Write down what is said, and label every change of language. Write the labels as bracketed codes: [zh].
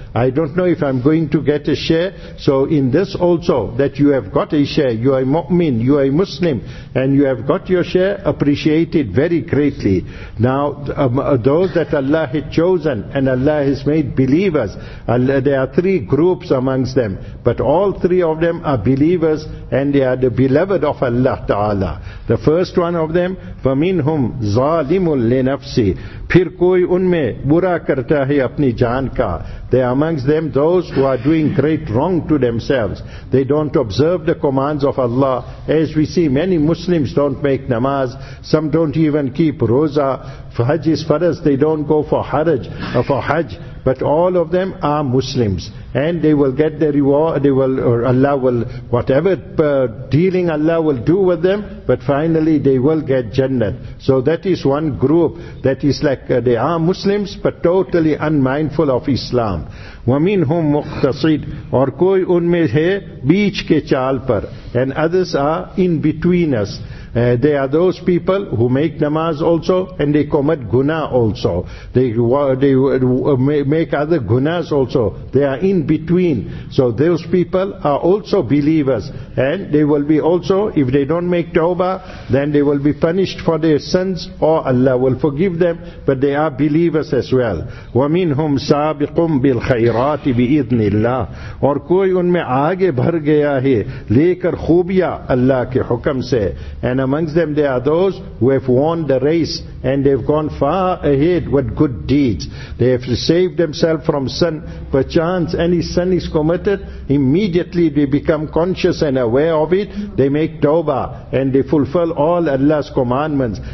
[en] I don't know if I'm going to get a share. So in this also, that you have got a share, you are a mu'min, you are a Muslim, and you have got your share, appreciate it very greatly. Now, those that Allah had chosen and Allah has made believers, there are three groups amongst them, but all three of them are believers and they are the beloved of Allah Ta'ala. The first one of them, [ar] فَمِنْهُمْ ظَالِمٌ لِنَفْسِ. [ur] پھر کوئی ان میں برا کرتا ہے اپنی جان کا. [en] They are amongst them those who are doing great wrong to themselves. They don't observe the commands of Allah. As we see, many Muslims don't make namaz. Some don't even keep roza. Hajj is faraz. They don't go for hajj. But all of them are Muslims. And they will get the reward. Whatever dealing Allah will do with them. But finally, they will get Jannah. So that is one group that is like, they are Muslims, but totally unmindful of Islam. [ar] وَمِنْهُمْ مُقْتَصِدْ. [ur] اور کوئی ان میں ہے بیچ کے چال پر. [en] And others are in between us. They are those people who make namaz also, and they commit guna also. They make other gunas also. They are in between. So those people are also believers. And they will be also, if they don't make tawbah, then they will be punished for their sins, or Allah will forgive them. But they are believers as well. [ar] وَمِنْهُمْ سَابِقُمْ بِالْخَيْرَاتِ بِإِذْنِ اللَّهِ. [ur] اور کوئی ان میں آگے بھر گیا ہے لے کر خوبیاں اللہ کے حکم سے. [en] And amongst them there are those who have won the race and they've gone far ahead with good deeds. They have saved themselves from sin. Perchance any sin is committed, immediately they become conscious and aware of it. They make tawbah and they fulfill all Allah's commandments.